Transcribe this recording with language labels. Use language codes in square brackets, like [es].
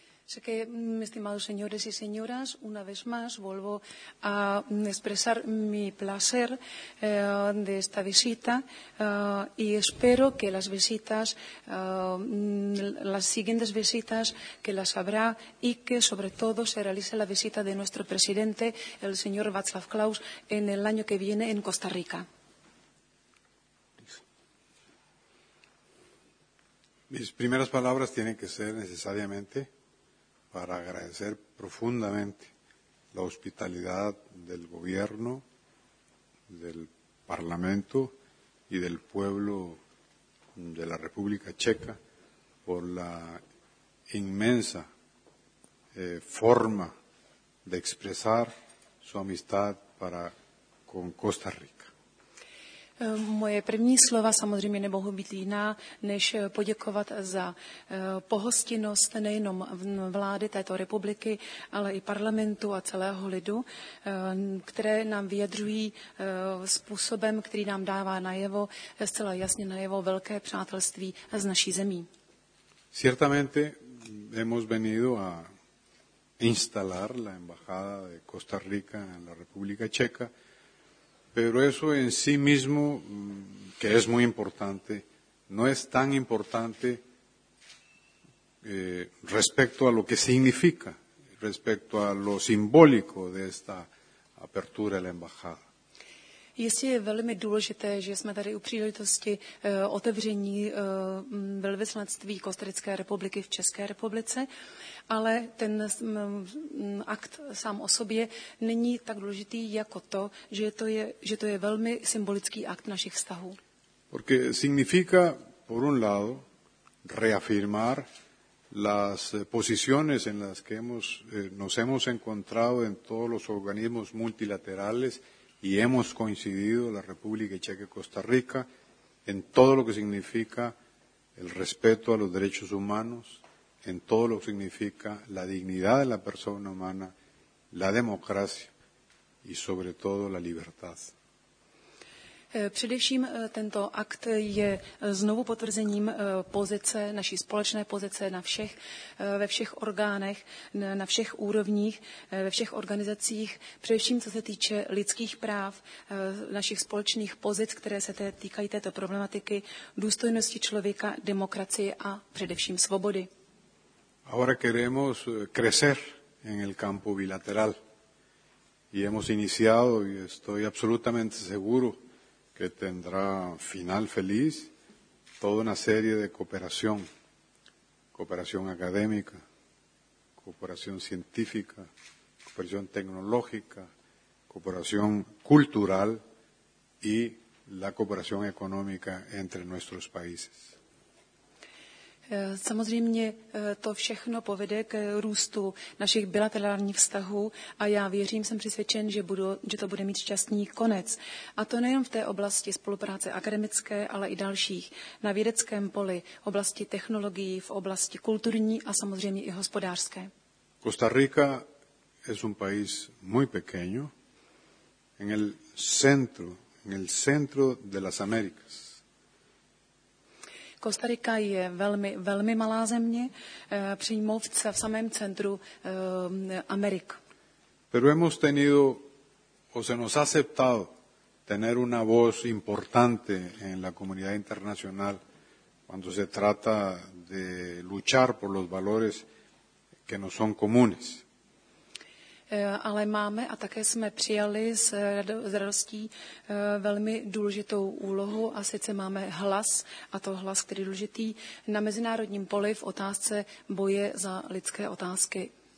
[es] Sé que, estimados señores y señoras, una vez más vuelvo a expresar mi placer de esta visita y espero que las visitas, las siguientes visitas que las habrá y que sobre todo se realice la visita de nuestro presidente, el señor Václav Klaus, en el año que viene en Costa Rica. Mis primeras palabras tienen que ser necesariamente para agradecer profundamente la hospitalidad del gobierno, del parlamento y del pueblo de la República Checa por la inmensa forma de expresar su amistad para con Costa Rica. [cs] Moje první slova samozřejmě nemohou být jiná, než poděkovat za pohostinnost nejenom vlády této republiky, ale i parlamentu a celého lidu, které nám vyjadřují způsobem, který nám dává najevo, zcela jasně najevo, velké přátelství s naší zemí. [es] Ciertamente hemos venido a instalar la embajada de Costa Rica en la República Checa. Pero eso en sí mismo, que es muy importante, no es tan importante respecto a lo que significa, respecto a lo simbólico de esta apertura de la embajada. [cs] Jestli je velmi důležité, že jsme tady u příležitosti otevření velvyslanectví Kostarické republiky v České republice, ale ten akt sám o sobě není tak důležitý jako to, že to je velmi symbolický akt našich vztahů. [es] Porque significa por un lado reafirmar las posiciones en las que nos hemos encontrado en todos los organismos multilaterales. Y hemos coincidido la República Checa y Costa Rica en todo lo que significa el respeto a los derechos humanos, en todo lo que significa la dignidad de la persona humana, la democracia y sobre todo la libertad. [cs] Především tento akt je znovu potvrzením pozice, naší společné pozice ve všech orgánech, na všech úrovních, ve všech organizacích, především co se týče lidských práv, našich společných pozic, které se týkají této problematiky, důstojnosti člověka, demokracie a především svobody. [es] Ahora queremos crecer en el campo bilateral. Y hemos iniciado, y estoy absolutamente seguro, que tendrá final feliz toda una serie de cooperación, cooperación académica, cooperación científica, cooperación tecnológica, cooperación cultural y la cooperación económica entre nuestros países. [cs] Samozřejmě to všechno povede k růstu našich bilaterálních vztahů a já věřím, jsem přesvědčen, že to bude mít šťastný konec. A to nejen v té oblasti spolupráce akademické, ale i dalších. Na vědeckém poli, oblasti technologií, v oblasti kulturní a samozřejmě i hospodářské. [es] Costa Rica es un país muy pequeño, en el centro de las Américas. [cs] Costa Rica je velmi, velmi malá země, přímo v samém centru Amerik. [es] Pero hemos tenido, o se nos ha aceptado, tener una voz importante en la comunidad internacional cuando se trata de luchar por los valores que nos son comunes. [cs] Ale máme a také jsme přijali s radostí velmi důležitou úlohu a sice máme hlas, a to hlas, který je důležitý, na mezinárodním poli v otázce boje za lidské otázky.